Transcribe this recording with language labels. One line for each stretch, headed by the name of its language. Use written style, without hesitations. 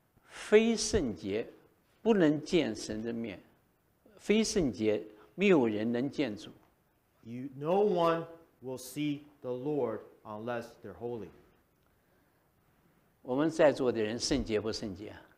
Chinese: 非圣洁不能见神的面，非圣洁没有人能见主。
English: No one will see the Lord unless they're holy.
Chinese: 我们在座的人圣洁不圣洁啊？